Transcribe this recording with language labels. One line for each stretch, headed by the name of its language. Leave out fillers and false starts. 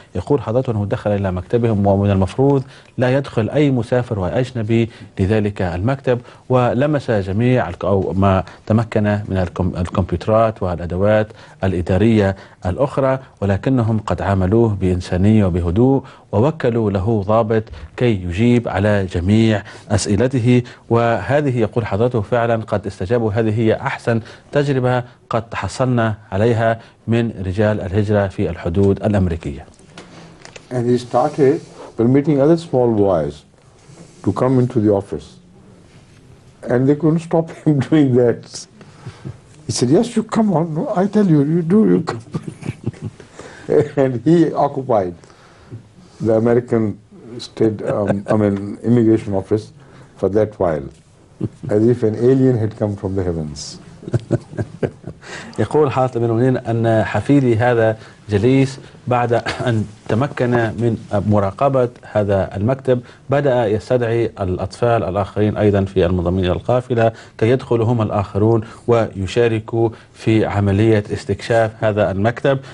Arabic: يقول حضرته أنه دخل إلى مكتبهم ومن المفروض لا يدخل أي مسافر وأجنبي لذلك المكتب، ولمس جميع أو ما تمكن من الكمبيوترات والأدوات الإدارية الأخرى، ولكنهم قد عاملوه بإنسانية وبهدوء ووكلوا له ضابط كي يجيب على جميع أسئلته. وهذه يقول حضرته فعلا قد استجابوا، هذه هي أحسن تجربة قد حصلنا عليها من رجال الهجرة في الحدود الأمريكية.
English: And he started permitting other small boys to come into the office. And they couldn't stop him doing that. He said, yes, you come on. No, I tell you, you do, you come. And he occupied the American state, immigration office for that while, as if an alien had come from the heavens.
Arabic: يقول حاطب بن منين أن حفيدي هذا جليس بعد أن تمكن من مراقبة هذا المكتب بدأ يستدعي الأطفال الآخرين أيضا في المنظمين القافلة كي يدخلوا هم الآخرون ويشاركوا في عملية استكشاف هذا المكتب.